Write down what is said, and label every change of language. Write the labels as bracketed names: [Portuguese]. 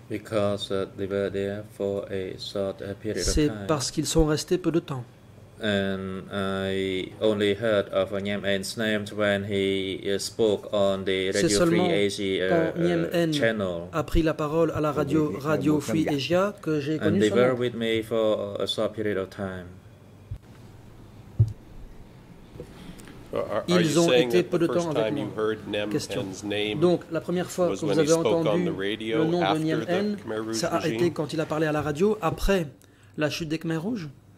[English] Because they were there for a short period of time. [French] C'est parce qu'ils sont restés peu de temps. [English] And I only heard of Nem N's name when he spoke on the Radio Free Asia channel. [French] A pris la parole à la radio Radio Free Asia que j'ai connu. [English] And they were with me for a short period of time. [French] Ils ont été peu de temps avec nous. [English] Question. [French] Donc, la première fois que vous avez entendu le nom de Nem N, ça a été quand il a parlé à la radio après la chute des Khmer Rouges?